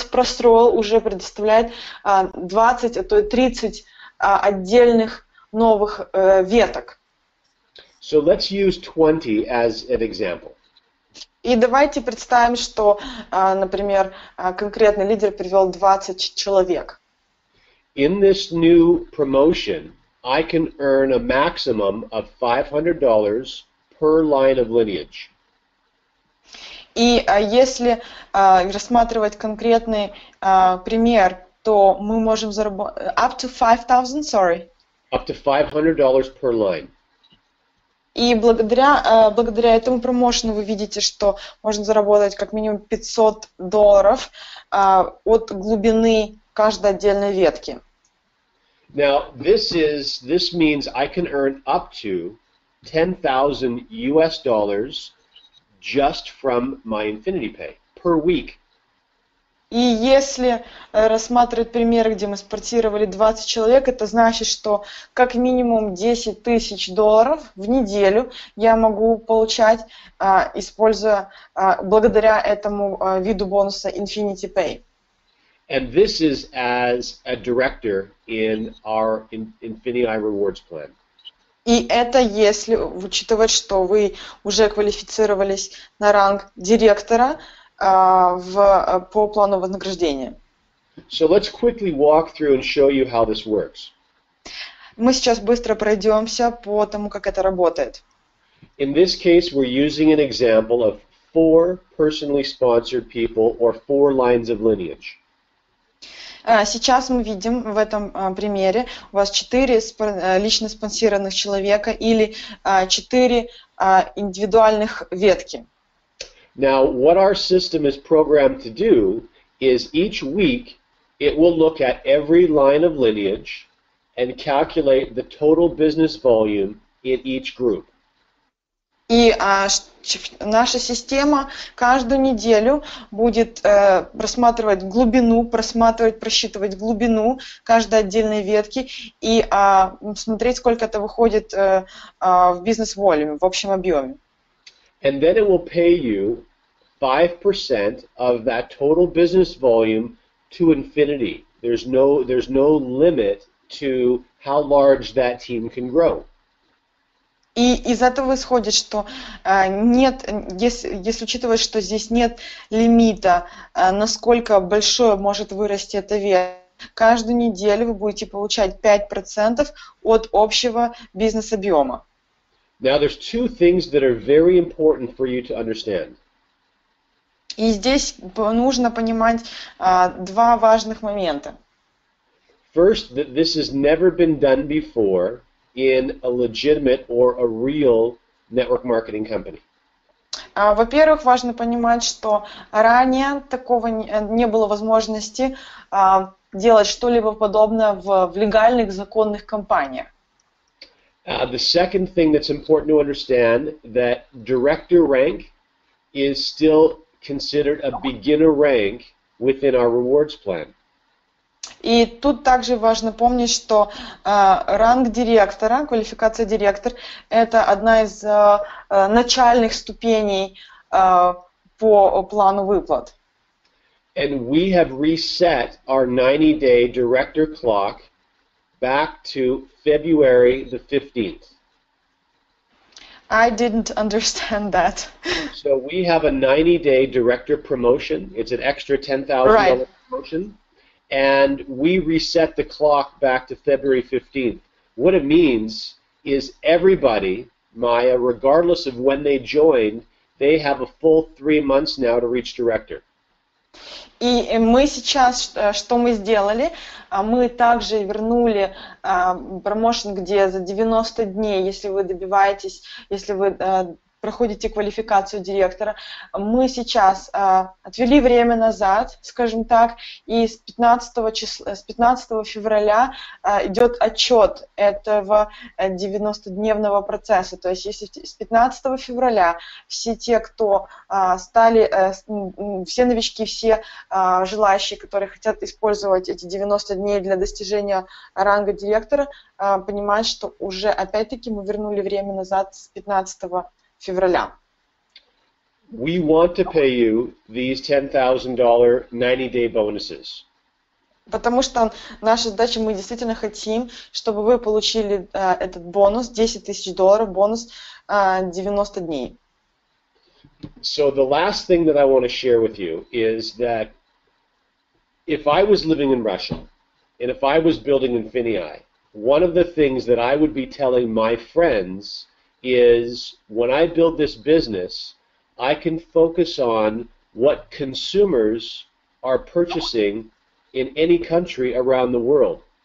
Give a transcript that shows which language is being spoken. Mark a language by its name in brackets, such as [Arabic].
[Russian] Прострол уже предоставляет 20, а то и 30 отдельных новых веток. [English] So let's use 20 as an example. [Russian] И давайте представим, что, например, конкретный лидер привел 20 человек. [English] In this new promotion, I can earn a maximum of $500 per line of lineage. [Russian] И если рассматривать конкретный пример, то мы можем заработать [English] up to $5,000, sorry. Up to $500 per line. [Russian] И благодаря этому промоушену вы видите, что можно заработать как минимум $500 от глубины каждой отдельной ветки. [English] Now, this means I can earn up to $10,000 just from my Infinity Pay per week. [Russian] И если рассматривать примеры, где мы спортировали 20 человек, это значит, что как минимум $10,000 в неделю я могу получать, используя, благодаря этому виду бонуса Infinity Pay. [English] And this is as a director in our Infinity Rewards plan. [Russian] И это если учитывать, что вы уже квалифицировались на ранг директора по плану вознаграждения. [English] So let's quickly walk through and show you how this works. [Russian] Мы сейчас быстро пройдемся по тому, как это работает. [English] In this case, we're using an example of four personally sponsored people or four lines of lineage. [Russian] Сейчас мы видим в этом примере у вас 4 лично спонсированных человека или 4 индивидуальных ветки. [English] Now, what our system is programmed to do is each week it will look at every line of lineage and calculate the total business volume in each group. [Russian] И наша система каждую неделю будет просматривать глубину, просчитывать глубину каждой отдельной ветки и смотреть, сколько это выходит в бизнес-волюме, в общем объеме. [English] And then it will pay you 5% of that total business volume to infinity. There's no limit to how large that team can grow. [Russian] И из этого исходит, что если учитывать, что здесь нет лимита, насколько большое может вырасти эта ветка, каждую неделю вы будете получать 5% от общего бизнес-объема. [English] Now there's two things that are very important for you to understand. [Russian] И здесь нужно понимать два важных момента. [English] First, that this has never been done before in a legitimate or a real network marketing company. [Russian] Во-первых, важно понимать, что ранее такого не было возможности делать что-либо подобное в легальных, законных компаниях. [English] The second thing that's important to understand that director rank is still considered a beginner rank within our rewards plan. [Russian] И тут также важно помнить, что ранг директора, квалификация директор, это одна из начальных ступеней по плану выплат. [English] And we have reset our 90-day director clock back to February the 15th. I didn't understand that. So we have a 90-day director promotion. It's an extra $10,000 right. promotion. And we reset the clock back to February 15th. What it means is everybody, Maya, regardless of when they joined, they have a full 3 months now to reach director. [Russian] И мы сейчас, что мы сделали, мы также вернули промоушен, где за 90 дней, если вы добиваетесь, если вы проходите квалификацию директора, мы сейчас отвели время назад, скажем так, и с 15 февраля идет отчет этого 90-дневного процесса. То есть если с 15 февраля все те, кто стали, все новички, все желающие, которые хотят использовать эти 90 дней для достижения ранга директора, понимают, что уже опять-таки мы вернули время назад с 15 февраля. [English] We want to pay you these $10,000 90-day bonuses. [Russian] Потому что наша задача, мы действительно хотим, чтобы вы получили этот бонус, $10,000, бонус 90 дней. [English] So the last thing that I want to share with you is that if I was living in Russia, and if I was building Infinii, one of the things that I would be telling my friends is when I build this business, I can focus on what consumers are purchasing in any country around the world.